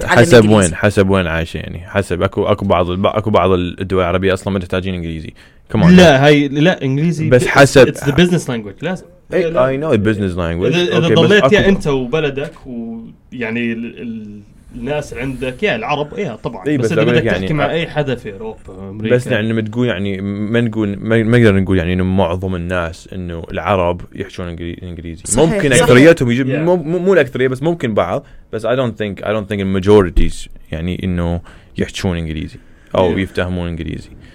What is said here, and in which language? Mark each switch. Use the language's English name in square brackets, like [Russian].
[Arabic] حسب وين حسب وين عايشة يعني حسب أكو بعض الدول العربية أصلا ما تحتاجين إنجليزي كمان لا هاي لا إنجليزي بس حسب [English] it's the business language [Arabic] لازم [English] I know the business language. [Arabic] إذا ضليت يا أنت وبلدك ويعني الناس عندك يا العرب إيه طبعًا. بس إذا بدك تحكي مع أي حدا في أوروبا أمريكا. بس يعني متقول يعني ما نقدر نقول يعني إنه معظم الناس إنه العرب يحشون إنجليزي. صحيح. ممكن أكثريتهم يجيب مو الأكثرية بس ممكن بعض بس [English] I don't think the majorities [Arabic] يعني إنه يحشون إنجليزي أو يفتهمون إنجليزي.